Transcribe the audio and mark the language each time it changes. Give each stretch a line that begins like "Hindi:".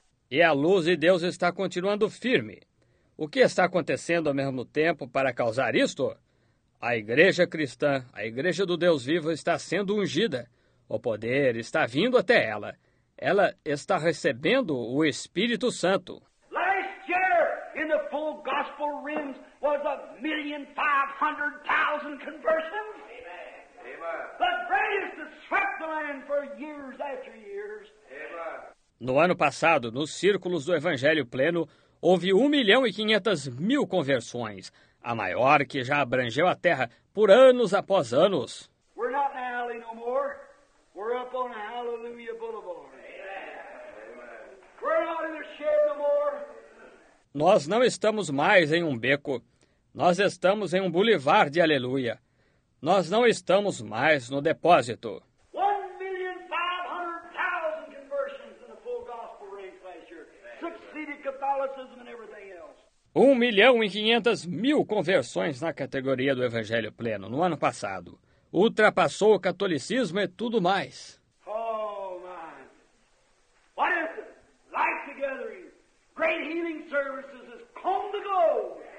Portuguese: E a luz de Deus está continuando firme. O que está acontecendo ao mesmo tempo para causar isto? A igreja cristã, a igreja do Deus vivo está sendo ungida. O poder está vindo até ela. Ela está recebendo o Espírito Santo.
English: Last year, in the full gospel realms, was 1,500,000 conversions. Amen. The greatest that swept the land for years after years.
Portuguese: No ano passado, nos círculos do Evangelho Pleno, houve 1,500,000 conversões. A maior que já abrangeu a terra por anos após anos.
English: We're not in Alley no more. We're up on Hallelujah Boulevard. Amen. We're not in the shed no more.
Portuguese: Nós não estamos mais em um beco. Nós estamos em um boulevard de aleluia. Nós não estamos mais no depósito.
English: 1,500,000 conversions in the full gospel range last year. Succeeded Catholicism and everything else.
Portuguese: 1,500,000 conversões na categoria do Evangelho Pleno no ano passado. Ultrapassou o catolicismo e tudo mais.
English: Oh, my. What is it? Life gathering. Great healing services has come to go.